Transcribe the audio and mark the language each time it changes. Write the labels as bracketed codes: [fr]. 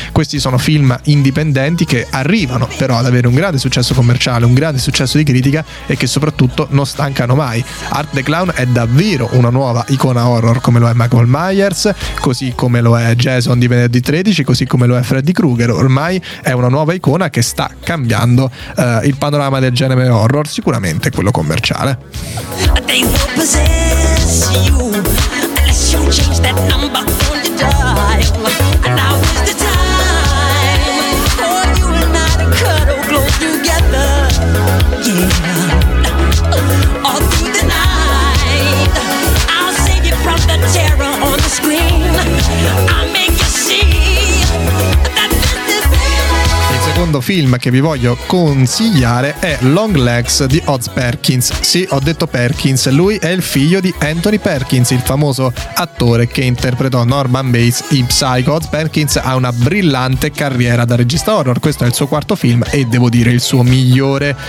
[it] Questi sono film indipendenti che arrivano però ad avere un grande successo commerciale, un grande successo di critica e che soprattutto non stancano mai. Art the Clown è davvero una nuova icona horror, come lo è Michael Myers, così come lo è Jason di Venerdì 13, così come lo è Freddy Krueger. Ormai è una nuova icona che sta cambiando il panorama del genere horror, sicuramente quello commerciale. [en] They will possess you unless you change that number on your dial. And now is the time for you and I to cuddle close together. Yeah. All through the night, I'll save you from the terror on the screen. I'll make you see. [it] Il secondo film che vi voglio consigliare è Long Legs di Oz Perkins. Sì, ho detto Perkins, lui è il figlio di Anthony Perkins, il famoso attore che interpretò Norman Bates in Psycho. Oz Perkins ha una brillante carriera da regista horror, questo è il suo quarto film e devo dire il suo migliore.